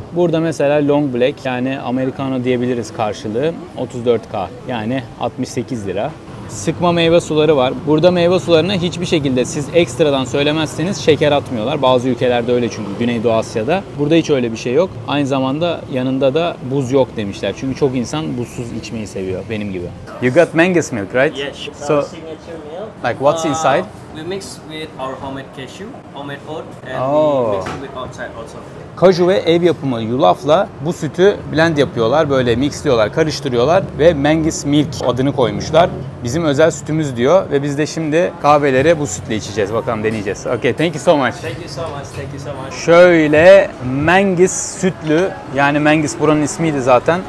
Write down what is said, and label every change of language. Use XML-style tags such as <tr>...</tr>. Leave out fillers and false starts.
<tr>Burada mesela long black, yani americano diyebiliriz karşılığı, 34K, yani 68 lira. Sıkma meyve suları var. Burada meyve sularına hiçbir şekilde siz ekstradan söylemezseniz şeker atmıyorlar. Bazı ülkelerde öyle çünkü, Güneydoğu Asya'da. Burada hiç öyle bir şey yok. Aynı zamanda yanında da buz yok demişler. Çünkü çok insan buzsuz içmeyi seviyor, benim gibi.</tr> <en>You got mangoes milk, right? Yes, that's so, signature meal. Like what's inside? We mix with our homemade cashew, homemade oat and we mix it with outside also.</en> <tr>Kaju ve ev yapımı yulafla bu sütü blend yapıyorlar, böyle mixliyorlar, karıştırıyorlar ve Mangus Milk adını koymuşlar. Bizim özel sütümüz diyor ve biz de şimdi kahveleri bu sütle içeceğiz, bakalım deneyeceğiz.</tr> <en>Okay, thank you so much. Thank you so much, thank you so much.</en> <tr>Şöyle Mangus sütlü, yani Mangus buranın ismiydi zaten.</tr>